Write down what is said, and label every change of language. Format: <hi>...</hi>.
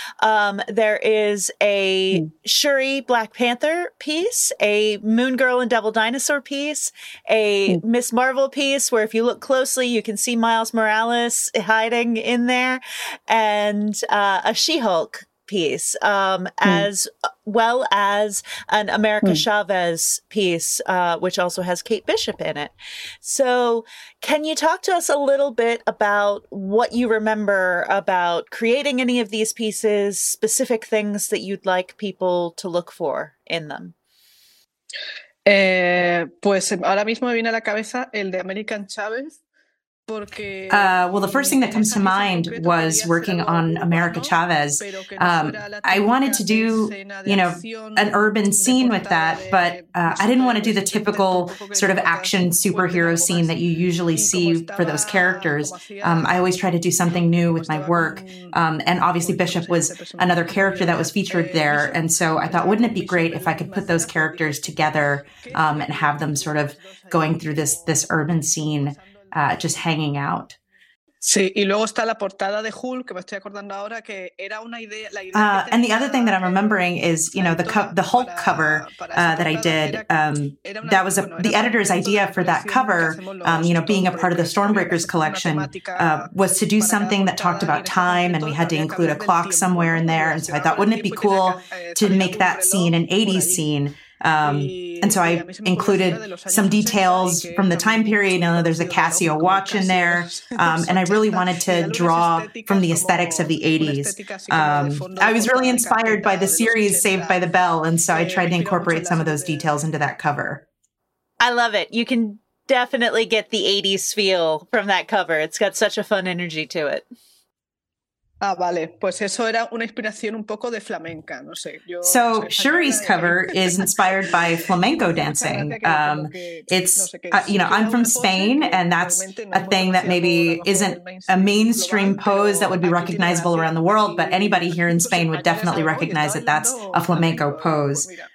<en>There is a Shuri Black Panther piece, a Moon Girl and Devil Dinosaur piece, a Miss Marvel piece, where if you look closely, you can see Miles Morales hiding in there, and a She-Hulk piece, as well as an America Chavez piece, which also has Kate Bishop in it. So can you talk to us a little bit about what you remember about creating any of these pieces, specific things that you'd like people to look for in them?</en> <es>Pues ahora mismo me viene a la cabeza el de American Chavez.</es> <en>Well, the first thing that comes to mind was working on America Chavez. I wanted to do, you know, an urban scene with that, but I didn't want to do the typical sort of action superhero scene that you usually see for those characters. I always try to do something new with my work. And obviously Bishop was another character that was featured there. And so I thought, wouldn't it be great if I could put those characters together and have them sort of going through this urban scene, just hanging out.</en> <es>Sí, y luego está la portada de Hulk, que me estoy acordando ahora, que era una idea.</es> <en>And the other thing that I'm remembering is, you know, the Hulk cover that I did. That was the editor's idea for that cover. You know, being a part of the Stormbreakers collection, was to do something that talked about time, and we had to include a clock somewhere in there. And so I thought, wouldn't it be cool to make that scene an '80s scene? And so I included some details from the time period. I know there's a Casio watch in there. And I really wanted to draw from the aesthetics of the 80s. I was really inspired by the series Saved by the Bell. And so I tried to incorporate some of those details into that cover. I love it. You can definitely get the 80s feel from that cover. It's got such a fun energy to it.</en> <es>Ah, vale. Pues eso era una inspiración un poco de flamenca, no sé.</es> <en>So Shuri's cover is inspired by flamenco dancing. It's, you know, I'm from Spain, and that's a thing that maybe isn't a mainstream pose that would be recognizable around the world, but anybody here in Spain would definitely recognize that that's a flamenco pose.</en>